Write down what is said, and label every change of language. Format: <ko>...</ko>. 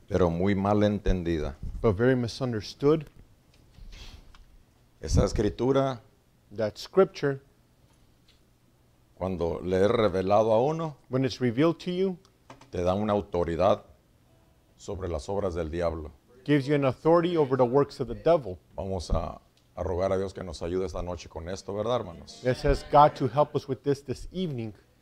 <es>Pero muy mal entendida.</es> <en>But very misunderstood.</en> <es>Esa escritura.</es> <en>That scripture.</en> <es>Cuando le es revelado a uno,</es> <en>when it's revealed to you,</en> <es>te da una autoridad sobre las obras del diablo.</es> <en>Gives you an authority over the works of the devil.</en> <es>Vamos a rogar a Dios que nos ayude esta noche con esto, ¿verdad, hermanos?</es> <en>It says God to help us with this evening.</en>